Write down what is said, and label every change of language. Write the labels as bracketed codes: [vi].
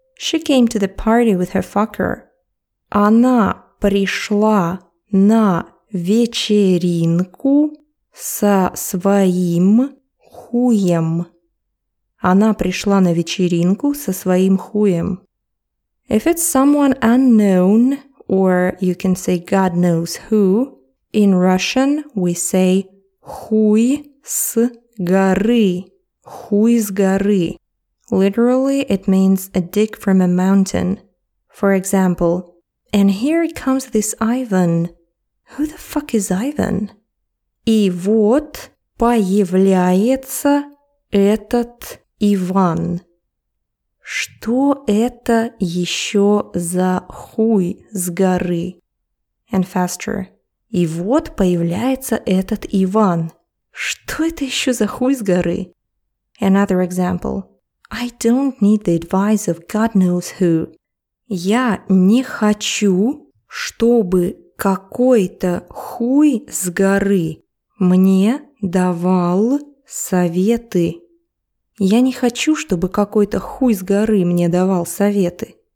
[en] She came to the party with her fucker. [ru] Она пришла на вечеринку со своим хуем. Она пришла на вечеринку со своим хуем. [en] If it's someone unknown, or you can say God knows who, in Russian we say [ru] хуй с горы. Хуй с горы. [en] Literally, it means a dick from a mountain. For example, and here comes this Ivan. Who the fuck is Ivan? [ru] И вот появляется этот Иван. Что это еще за хуй с горы? [en] And faster. [ru] И вот появляется этот Иван. Что это еще за хуй с горы? [en] Another example. I don't need the advice of God knows who. [ru] Я не хочу, чтобы какой-то хуй с горы мне давал советы. Я не хочу, чтобы какой-то хуй с горы мне давал советы.